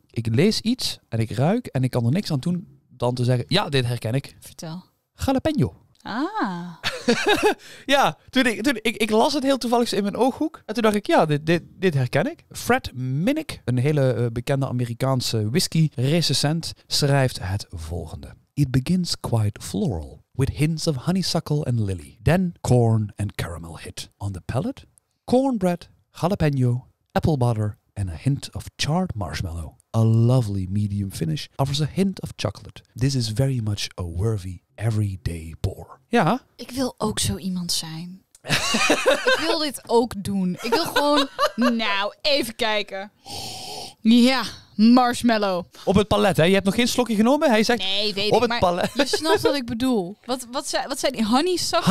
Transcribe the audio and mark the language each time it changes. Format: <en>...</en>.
<nl>Ik lees iets en ik ruik en ik kan er niks aan doen dan te zeggen, ja, dit herken ik. Vertel. Jalapeño. Ah. Ja, toen ik las het heel toevallig in mijn ooghoek. En toen dacht ik, ja, dit herken ik. Fred Minnick, een hele bekende Amerikaanse whisky recensent, schrijft het volgende.</nl> <en>It begins quite floral, with hints of honeysuckle and lily. Then corn and caramel hit. On the palate, cornbread, jalapeno, apple butter and a hint of charred marshmallow. A lovely medium finish offers a hint of chocolate. This is very much a worthy everyday pour.</en> <nl>Ja. Ik wil ook zo iemand zijn. Ik wil dit ook doen. Ik wil gewoon, nou, even kijken. Ja, marshmallow. Op het palet, hè? Je hebt nog geen slokje genomen? Hij zegt, nee, weet op ik, het palet. Je snapt wat ik bedoel. Wat zijn die? Honeysuckle?</nl>